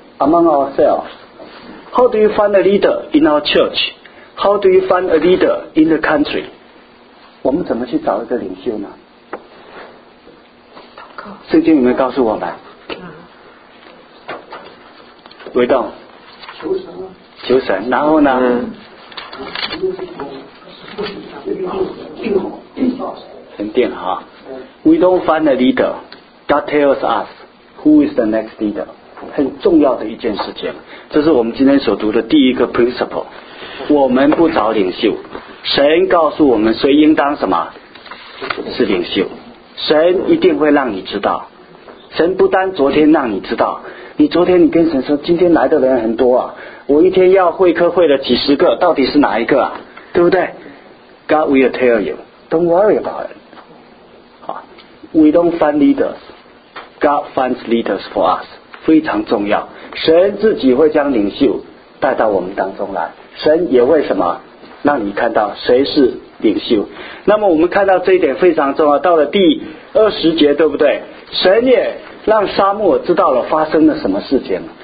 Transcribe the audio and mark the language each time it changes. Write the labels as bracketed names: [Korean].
[English] Among ourselves, how do you find a leader in our church? How do you find a leader in the country? [Chinese] 我们怎么去找一个领袖呢？圣经有没有告诉我们？伟栋，求神。求神，然后呢？很定哈。 [English] We don't find a leader. God tells us who is the next leader. [Chinese] 很重要的一件事情，这是我们今天所读的第一个 principle。我们不找领袖，神告诉我们谁应当什么是领袖，神一定会让你知道。神不单昨天让你知道，你昨天你跟神说今天来的人很多啊，我一天要会客会了几十个，到底是哪一个啊，对不对？ [English] God will tell you, don't worry about it. We don't find leaders, God finds leaders for us. [Chinese] 非常重要，神自己会将领袖带到我们当中来，神也会什么让你看到谁是领袖。那么我们看到这一点非常重要，到了第二十节，对不对？神也让撒母耳知道了发生了什么事情。